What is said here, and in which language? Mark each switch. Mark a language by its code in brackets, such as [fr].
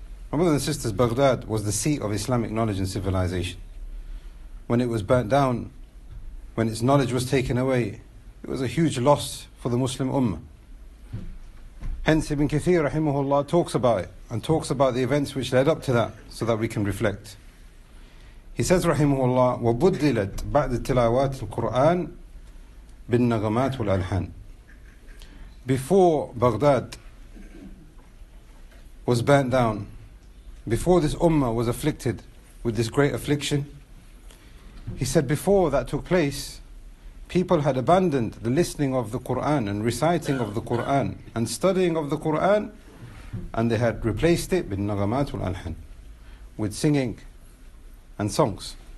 [en] My brothers and sisters, Baghdad was the seat of Islamic knowledge and civilization. When it was burnt down, when its knowledge was taken away, it was a huge loss for the Muslim ummah. Hence Ibn Kathir rahimahullah talks about it and talks about the events which led up to that so that we can reflect. He says rahimahullah, [ar] وَبُدِّلَتْ بَعْدِ تِلَاوَاتِ الْقُرْآنِ بِالنَّغَمَاتِ وَالْأَلْحَانِ. [en] Before Baghdad was burnt down, before this ummah was afflicted with this great affliction, he said before that took place, people had abandoned the listening of the Qur'an and reciting of the Qur'an and studying of the Qur'an, and they had replaced it [ar] bin nagamat wal alhan, [en] with singing and songs.